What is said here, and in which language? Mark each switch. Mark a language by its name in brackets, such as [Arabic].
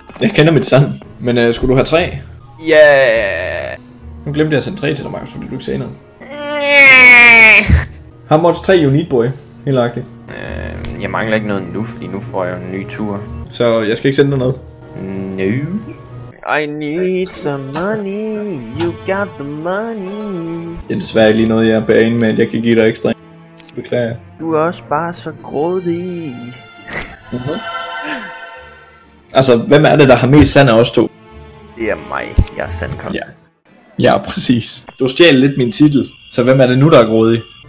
[Danish] Jeg kender mit sand. Men skulle du have 3? Ja. Nu glemte jeg at sende 3 til dig, Markus, fordi du ikke sagde noget. Har Mods 3 jo need boy, helt agtigt. Jeg mangler ikke noget nu, fordi nu får jeg en ny tur. Så jeg skal ikke sende dig noget? [English] No. I need some money, you got the money. [Danish] Det er desværre ikke lige noget, jeg er bagen med, at jeg kan give dig ekstra. Beklager. Du er også bare så grådig. Altså, hvem er det, der har mest sand af os to? Det er mig, jeg er sandkong. Ja. Ja, præcis. Du stjal lidt min titel, så hvem er det nu, der er grådig?